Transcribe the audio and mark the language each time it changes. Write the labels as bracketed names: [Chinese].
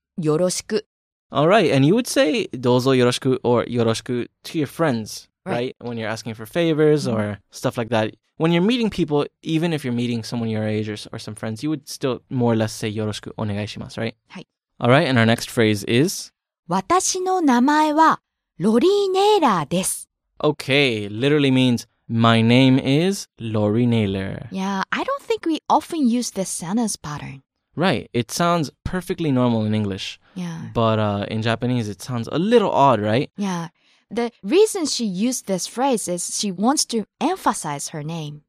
[Japanese] Yoroshiku. [English] All right, and you would say [Japanese] dozo yoroshiku [English] or [Japanese] yoroshiku [English] to your friends, right? When you're asking for favors or stuff like that. When you're meeting people, even if you're meeting someone your age or some friends, you would still more or less say [Japanese] yoroshiku onegaishimasu, [English] right? [Japanese] Hai. [English] All right, and our next phrase is? [Japanese] 私の名前はロリー・ネイラーです。 [English] Okay, literally means, my name is Lori Naylor. Yeah, I don't think we often use this sentence pattern. Right, it sounds perfectly normal in English. Yeah. But in Japanese, it sounds a little odd, right? Yeah. The reason she used this phrase is she wants to emphasize her name.